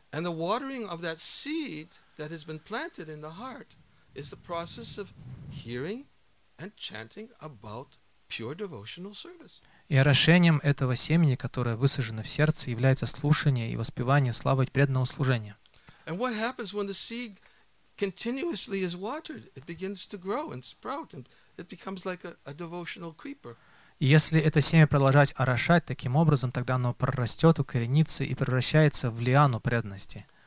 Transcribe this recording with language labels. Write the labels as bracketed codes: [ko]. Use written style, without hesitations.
[en] And the watering of that seed that has been planted in the heart is the process of hearing and chanting about pure devotional service. [ru] И орошением этого семени, которое высажено в сердце, является слушание и воспевание славы преданного служения. [en] And what happens when the seed continuously is watered? It begins to grow and sprout, and it becomes like a devotional creeper. [ru] И если это семя продолжать орошать таким образом, тогда оно прорастет, укоренится и превращается в лиану преданности.